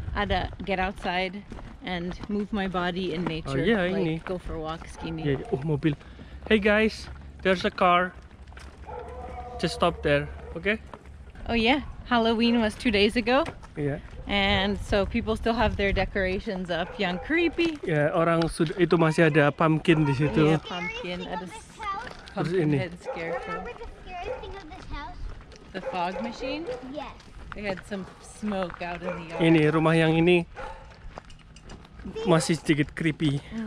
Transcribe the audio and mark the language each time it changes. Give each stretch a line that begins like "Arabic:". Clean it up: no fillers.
English: Ada get outside and move my body in nature. Oh, yeah, like,
Indonesian: ini.
English: Go for walks, gini. Yeah. Oh, mobil. Hey, guys. There's a car. Just stop there, okay? Oh yeah, Halloween was 2 days ago. Yeah. And so people still have their decorations up.
Indonesian: Yang creepy. Yeah, orang itu masih ada pumpkin di situ.
English: Yeah, pumpkin. Ada
Indonesian: terus ini.
English: Head scarecrow. Remember the scariest thing of this house? The fog machine? Yes. They had some smoke out in the yard.
Indonesian: Ini rumah yang ini masih sedikit creepy.